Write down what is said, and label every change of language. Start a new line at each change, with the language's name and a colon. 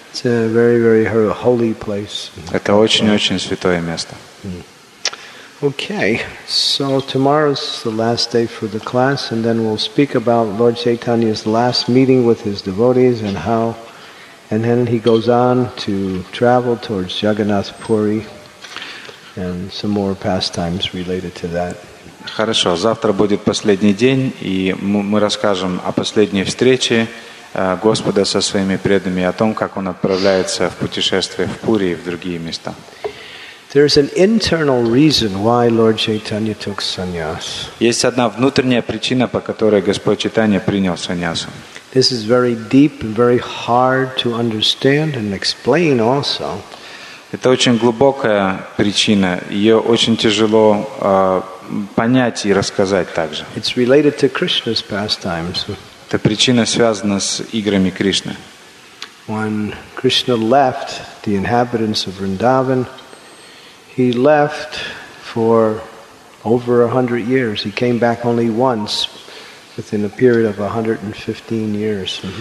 English: It's a very, very holy place.
Russian: Это очень-очень святое место.
English: Okay, so tomorrow's the last day for the class, and then we'll speak about Lord Chaitanya's last meeting with his devotees and how, and then he goes on to travel towards Jagannath Puri and some more pastimes related to that.
Russian: Хорошо, завтра будет последний день, и мы расскажем о последней встрече Господа со своими преданными, о том, как Он отправляется в путешествие в Пури и в другие места.
English: There's an internal reason why Lord Chaitanya took sannyas.
Russian: Есть одна внутренняя причина, по которой Господь Чайтанья принял саньясу.
English: This is very deep and very hard to understand and explain also.
Russian: Это очень глубокая причина, ее очень тяжело понять и рассказать также.
English: It's related to Krishna's pastimes.
Russian: Эта причина связана с играми Кришны.
English: When Krishna left the inhabitants of Vrindavan, he left for over 100 years. He came back only once within a period of 115 years.